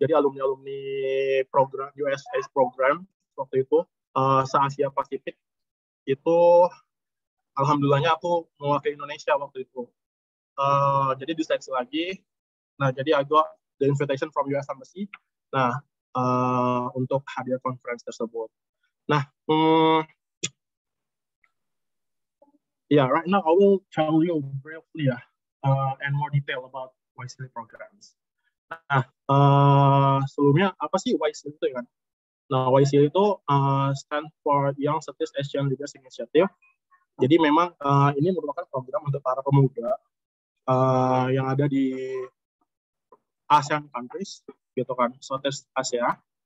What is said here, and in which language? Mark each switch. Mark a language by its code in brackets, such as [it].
[id] Jadi alumni-alumni program USS program waktu itu se-Asia Pasifik itu alhamdulillahnya aku mewakili Indonesia waktu itu. Jadi diseleksi lagi. Nah, jadi [en] I got the invitation from US Embassy. [id] Nah, untuk hadir conference tersebut. [en] Nah, yeah, right now I will tell you briefly and more detail about YC programs. [id] Nah, sebelumnya apa sih YC itu kan? [en] Nah, YC itu stand for Young Southeast Asian Leaders Initiative. [id] Jadi memang ini merupakan program untuk para pemuda yang ada di ASEAN countries, gitu kan, Southeast Asia.